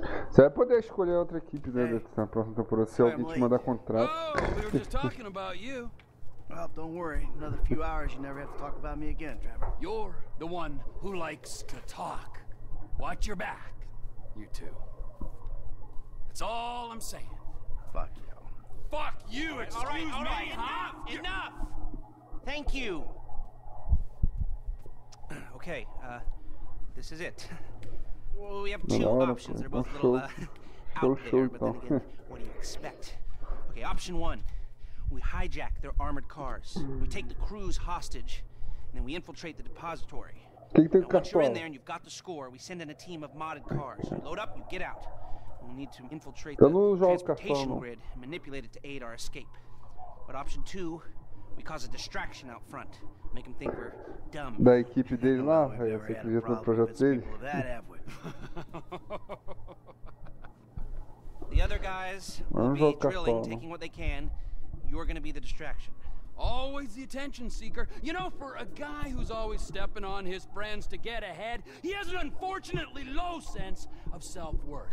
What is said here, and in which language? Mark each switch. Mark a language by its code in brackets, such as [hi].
[pt] Você vai poder escolher outra equipe, né, hey. Na próxima temporada, se alguém te mandar contrato. [en] Oh, we were just talking about you. Well, don't worry. Another few hours, you never have to talk about me again, Trevor. You're the one who likes to talk. Watch your back, you two. That's all I'm saying. Fuck you. Fuck you, excuse all right, me, enough, huh? Enough! Thank you. Okay, this is it. We have two options. They're both a little out there, but then again, what do you expect? Okay, option one. We hijack their armored cars. We take the crews hostage, and then we infiltrate the depository. Now, once you're in there and you've got the score, we send in a team of modded cars. You load up, you get out. We'll need to infiltrate the transportation grid and manipulate it to aid our escape. But option two, we cause a distraction out front. Make them think we're dumb. [pt] Da equipe dele lá, eu sei que já tô no projeto dele. [en] The other guys will be drilling, taking what they can. You're gonna be the distraction. Always the attention seeker. You know, for a guy who's always stepping on his friends to get ahead, he has an unfortunately low sense of self-worth.